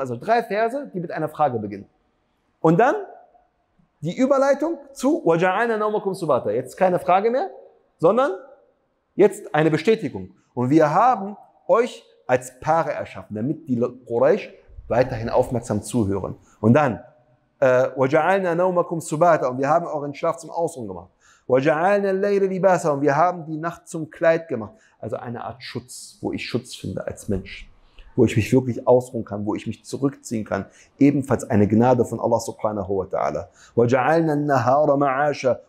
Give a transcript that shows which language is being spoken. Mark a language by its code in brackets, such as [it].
[de] Also drei Verse, die mit einer Frage beginnen. Und dann die Überleitung zu waja'alna nawmakum subata. Jetzt keine Frage mehr, sondern jetzt eine Bestätigung. Und wir haben euch als Paare erschaffen, damit die Quraysh weiterhin aufmerksam zuhören. Und dann [ar] وَجَعَلْنَا نَوْمَكُمْ سُبَاتًا. [de] Und wir haben euren Schlaf zum Ausruhen gemacht. [ar] وَجَعَلْنَا اللَّيْلَ لِبَاسًا. [de] Und wir haben die Nacht zum Kleid gemacht. Also eine Art Schutz, wo ich Schutz finde als Mensch. Wo ich mich wirklich ausruhen kann, wo ich mich zurückziehen kann. Ebenfalls eine Gnade von Allah subhanahu wa ta'ala. [ar] وَجَعَلْنَا النَّهَارَ مَعَاشًا.